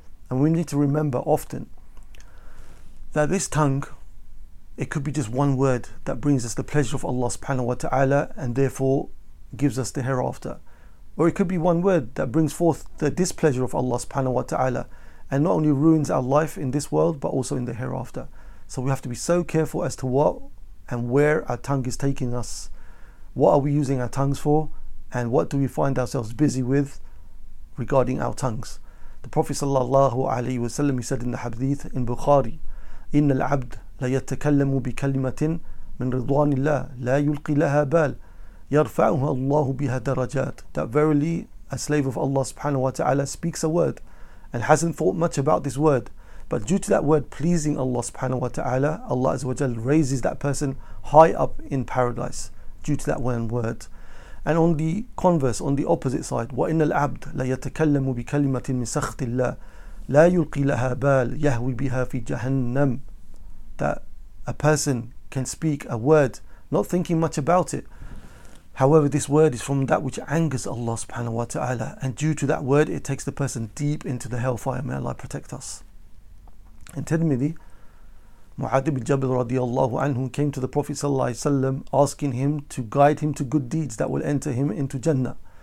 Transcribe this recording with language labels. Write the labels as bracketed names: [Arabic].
[English] And we need to remember often that this tongue, it could be just one word that brings us the pleasure of Allah subhanahu wa ta'ala and therefore gives us the hereafter, or it could be one word that brings forth the displeasure of Allah subhanahu wa ta'ala and not only ruins our life in this world but also in the hereafter. So we have to be so careful as to what and where our tongue is taking us. What are we using our tongues for, and what do we find ourselves busy with regarding our tongues? The Prophet sallallahu alayhi wa sallam, he said in the hadith in Bukhari, [Arabic] إِنَّ الْعَبْدَ لَيَتَّكَلَّمُ بِكَلِمَةٍ مِنْ رِضْوَانِ اللَّهِ لَا يُلْقِي لَهَا بَالٍ يَرْفَعُهُ اللَّهُ بِهَا دَرَجَاتٍ. [English] That verily, a slave of Allah subhanahu wa ta'ala speaks a word and hasn't thought much about this word, but due to that word pleasing Allah subhanahu wa ta'ala, Allah azza wa jal raises that person high up in paradise due to that one word. And on the converse, on the opposite side, [Arabic] وَإِنَّ الْعَبْدَ لَيَتَكَلَّمُ بِكَلِمَةٍ مِنْ سَخْطِ اللَّهِ لَا يُلْقِي لَهَا بَالٍ يَهْوِي بِهَا فِي جَهَنَّمٍ. [English] That a person can speak a word not thinking much about it, however, this word is from that which angers Allah subhanahu wa ta'ala, and due to that word, it takes the person deep into the hellfire. May Allah protect us. In Tirmidhi, Mu'adh ibn Jabal radiyallahu anhu came to the Prophet sallallahu alayhi wa sallam asking him to guide him to good deeds that will enter him into Jannah.